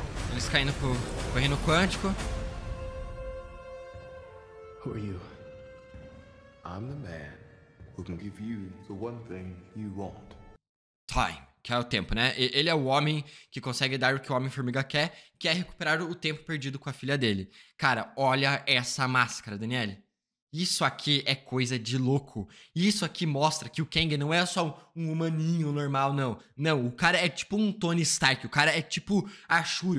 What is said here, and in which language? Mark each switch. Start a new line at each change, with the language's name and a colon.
Portuguese: Eles caindo pro reino quântico.
English: Who are you? I'm the man who can give you the one thing you want.
Portuguese: Time, que é o tempo, né? Ele é o homem que consegue dar o que o Homem-Formiga quer, que é recuperar o tempo perdido com a filha dele. Cara, olha essa máscara, Daniele. Isso aqui é coisa de louco. Isso aqui mostra que o Kang não é só um humaninho normal, não. Não, o cara é tipo um Tony Stark. O cara é tipo a Shuri.